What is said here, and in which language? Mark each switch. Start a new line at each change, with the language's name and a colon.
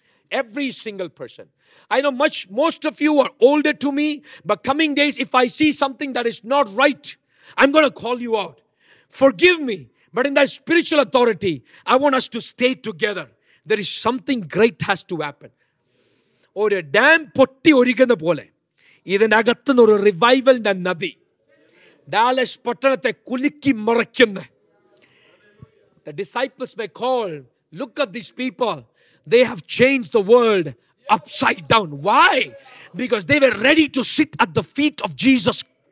English: Every single person. I know most of you are older to me, but coming days, if I see something that is not right, I'm going to call you out. Forgive me, but in that spiritual authority, I want us to stay together. There is something great has to happen.
Malayalam: ഒരു dam പൊട്ടി ഒഴുകുന്ന പോലെ ഇതിൻ്റെ അകത്തുനിന്ന് ഒരു റിവൈവലിൻ്റെ നദി Dallas പട്ടണത്തെ കുലുക്കി മറയ്ക്കുന്ന.
English: The disciples may call, look at these people, they have changed the world upside down. Why? Because they were ready to sit at the feet of Jesus.